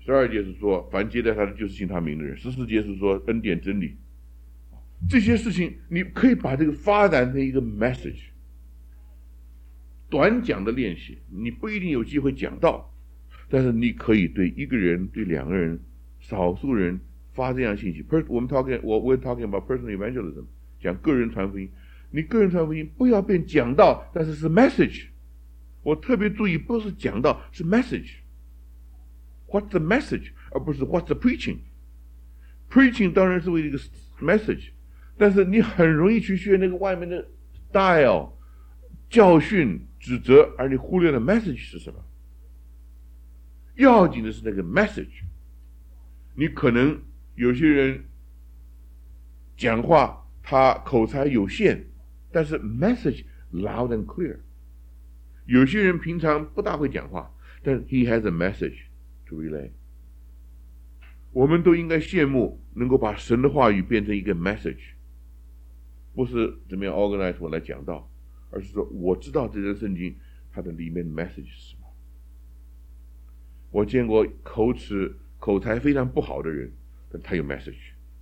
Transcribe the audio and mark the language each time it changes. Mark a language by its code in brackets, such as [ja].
[zh] 十二节是说凡接待他的就是信他名的人，十四节是说恩典真理。这些事情你可以把这个发展成一个 message， 短讲的练习，你不一定有机会讲到，但是你可以对一个人、对两个人、少数人发这样信息。 [en] We're talking about personal evangelism， [zh] 讲个人传福音。你个人传福音不要变讲道，但是是 message。我特别注意，不是讲道，是 message。 [en] What's the message， 而不是 what's the preaching。 [zh] preaching 当然是为一个 message， 但是你很容易去学那个外面的 style 教训指责，而你忽略了 message 是什么。要紧的是那个 message。你可能有些人讲话他口才有限，但是 [en] message loud and clear。 [zh] 有些人平常不大会讲话，但 [en] he has a message to relay。 [zh] 我们都应该羡慕能够把神的话语变成一个 message， 不是怎么样 organize 我来讲到，而是说我知道这段圣经它的里面 message 是什么。我见过口才非常不好的人，但他有 message。